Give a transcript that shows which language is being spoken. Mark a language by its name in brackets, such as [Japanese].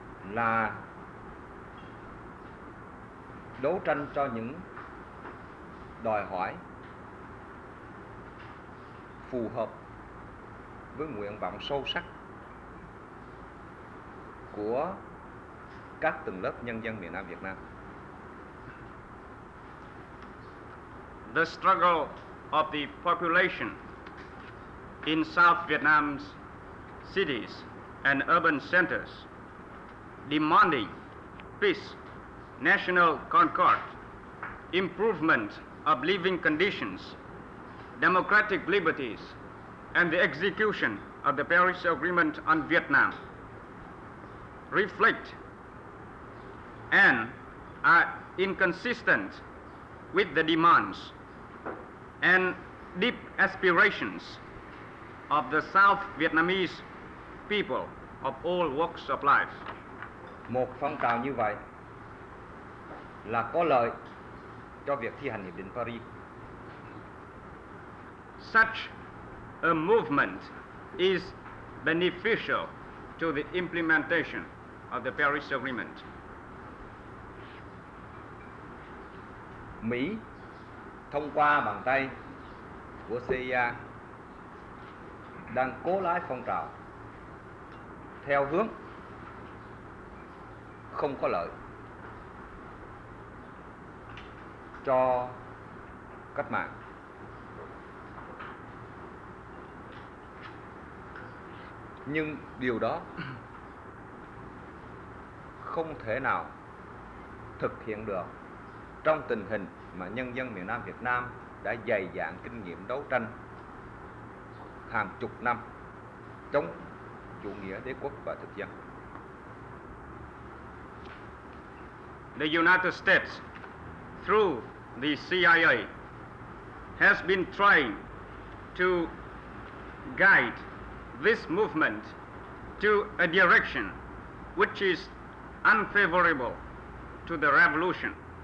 [Vietnamese] là đấu tranh cho những đòi hỏi phù hợp với nguyện vọng sâu sắc của các tầng lớp nhân dân miền Nam Việt Nam. [English] The struggle of the population in South Vietnam's cities and urban centers demanding peace, national concord, improvement of living conditions, democratic liberties, and the execution of the Paris Agreement on Vietnam reflect and are inconsistent with the demands and deep aspirations of the South Vietnamese people of all walks of life. [Vietnamese] Một phong trào như vậy là có lợi cho việc thi hành Hiệp định Paris. [English] Such a movement is beneficial to the implementation of the Paris Agreement. [Vietnamese] Mỹ thông qua bàn tay của CIA đang cố lái phong trào theo hướng không có lợi cho cách mạng. Nhưng điều đó không thể nào thực hiện được trong tình hình mà nhân dân miền Nam Việt Nam đã dày dạn kinh nghiệm đấu tranh hàng chục năm chống chủ nghĩa đế quốc và thực dân. [English] The United States, through the CIA, has been trying to guide this movement to a direction which is unfavorable to the revolution.